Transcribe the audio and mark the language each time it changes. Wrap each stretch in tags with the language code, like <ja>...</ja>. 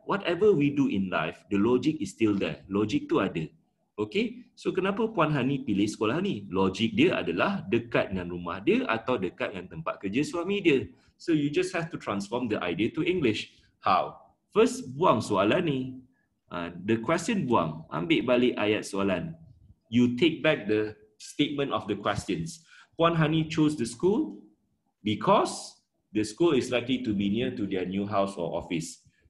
<en>Whatever we do in life, the logic is still there.</en> <ms>Logic tu ada. Okay, so kenapa Puan Hani pilih sekolah ni? Logic dia adalah dekat dengan rumah dia atau dekat dengan tempat kerja suami dia.</ms> <en>So you just have to transform the idea to English. How? First,</en> <ms>buang soalan ni.</ms> <en>The question buang.</en> <ms>Ambil balik ayat soalan.</ms> <en>You take back the statement of the questions. Puan Hani chose the school because the school is likely to be near to their new house or office.</en>